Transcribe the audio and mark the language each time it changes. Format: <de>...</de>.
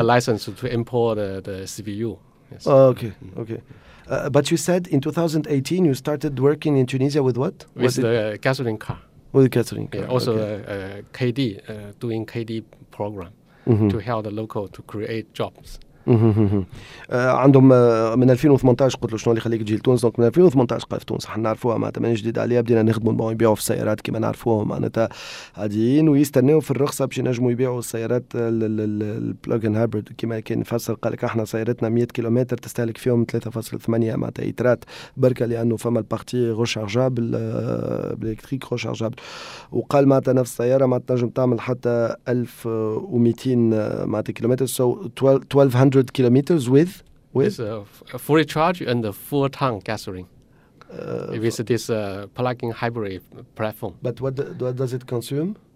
<en>the license to import the CPU. Yes. Okay. But you said in 2018 you started working in Tunisia with what? With the gasoline car. Yeah, also KD, doing KD program to help the local to create jobs.</en> <ar>عندهم من 2018 قلت له شنو اللي خليك تجي لتونس، دونك من 2018 قال في تونس حنا نعرفوها معناتها من جديد عليها، بدينا نخدموا معاهم يبيعوا في السيارات كما نعرفوهم معناتها عاديين ويستناو في الرخصه باش ينجموا يبيعوا السيارات البلوجن هايبرد كما كان يفسر. قال لك احنا سيارتنا 100 كيلومتر تستهلك فيهم 3.8 معناتها ايترات بركه، لانه فما البارتي روشارجابل بالالكتريك روشارجابل. وقال معناتها نفس السياره ما تنجم تعمل حتى 1200 معناتها كيلومتر،</ar> <en>So 1200 kilometers with fully charge and the full tank gasoline. With this plug-in hybrid platform. But what does it consume?</en>